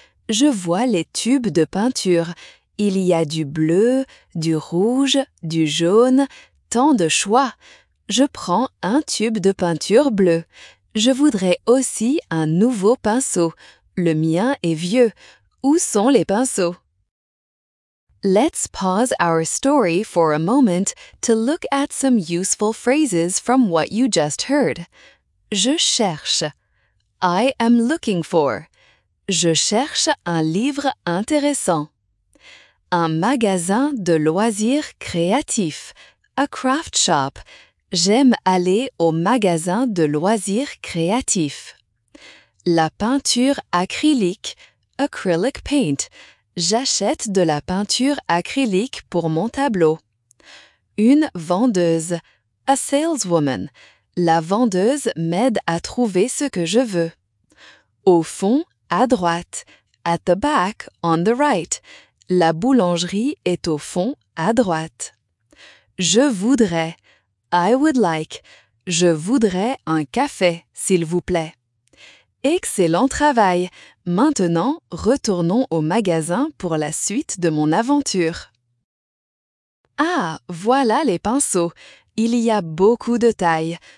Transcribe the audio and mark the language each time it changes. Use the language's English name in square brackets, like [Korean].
[French] Je vois les tubes de peinture. Il y a du bleu, du rouge, du jaune, tant de choix. Je prends un tube de peinture bleue. Je voudrais aussi un nouveau pinceau. Le mien est vieux. Où sont les pinceaux ? [English] Let's pause our story for a moment to look at some useful phrases from what you just heard. [French] Je cherche. [English] I am looking for. [French] Je cherche un livre intéressant. Un magasin de loisirs créatifs. [English] A craft shop. [French] J'aime aller au magasin de loisirs créatifs. La peinture acrylique. [English] Acrylic paint. [French] J'achète de la peinture acrylique pour mon tableau. Une vendeuse, [English] a saleswoman. [French] La vendeuse m'aide à trouver ce que je veux. Au fond, à droite, [English] at the back, on the right. [French] La boulangerie est au fond, à droite. Je voudrais, [English] I would like. [French] Je voudrais un café, s'il vous plaît. Excellent travail! Maintenant, retournons au magasin pour la suite de mon aventure. Ah, voilà les pinceaux. Il y a beaucoup de tailles.